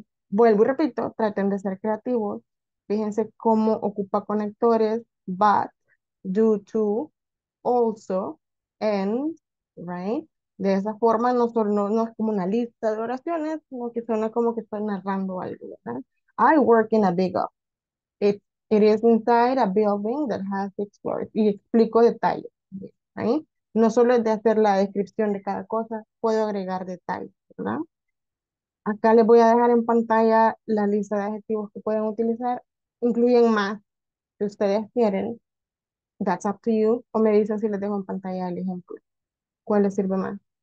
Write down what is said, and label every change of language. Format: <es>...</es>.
<es>Vuelvo y repito, traten de ser creativos. Fíjense cómo ocupa conectores, but, due to, also, and, right? De esa forma, no, solo, no, no es como una lista de oraciones, sino que suena como que está narrando algo, ¿verdad?</es> <en>I work in a big office. It is inside a building that has 6 floors.</en> <es>Y explico detalles, right? No solo es de hacer la descripción de cada cosa, puedo agregar detalles, ¿verdad? Acá les voy a dejar en pantalla la lista de adjetivos que pueden utilizar. Incluyen más si ustedes quieren.</es> <en>That's up to you.</en> <es>O me dicen si les dejo en pantalla el ejemplo. ¿Cuál les sirve más?</es>